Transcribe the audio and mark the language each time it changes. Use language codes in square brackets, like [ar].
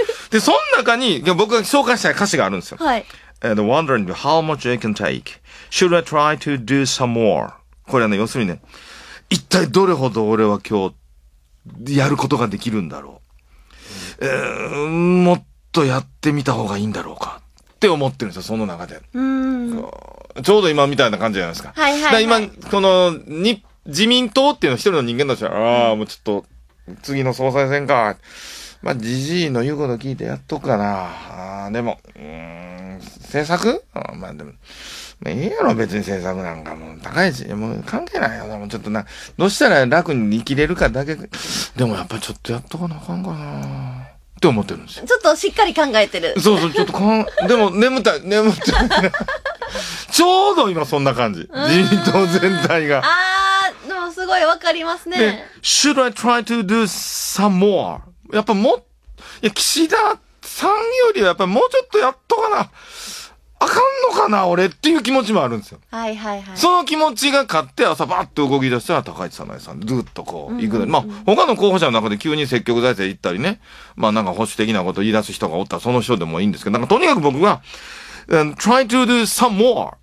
[ja] で、その中に僕が紹介したい歌詞があるんですよ。はい。 [en] And wondering how much I can take. Should I try to do some more? [ja] これはね、要するにね、一体どれほど俺は今日やることができるんだろう、もっとやってみた方がいいんだろうかって思ってるんですよ、その中で。うーん、ちょうど今みたいな感じじゃないですか。はいはい、はい。だ、今この自民党っていうのは一人の人間としては、ああ、もうちょっと次の総裁選か、まあジジイの言うこと聞いてやっとくかな、あー、でも、政策、あー、まあでも、まあ、いいやろ、別に政策なんかもう高いし、もう関係ないよ、でもちょっとな、どうしたら楽に生きれるかだけ、でもやっぱりちょっとやっとかなあかんかなって思ってるんですよ。ちょっとしっかり考えてる。そうそう、ちょっとでも眠たい、眠たい。ちょうど今そんな感じ、自民党全体が。あー、でもすごいわかりますね。 [en] Should I try to do some more? [ja] やっぱも、いや、岸田さんよりはやっぱりもうちょっとやっとかな、あかんのかな、俺っていう気持ちもあるんですよ。はいはいはい。その気持ちが勝って朝バーって動き出したら高市早苗さん、ずっとこう、行く、うんうんうん。まあ、他の候補者の中で急に積極財政行ったりね、まあなんか保守的なこと言い出す人がおったらその人でもいいんですけど、なんかとにかく僕が、 [en] try to do some more.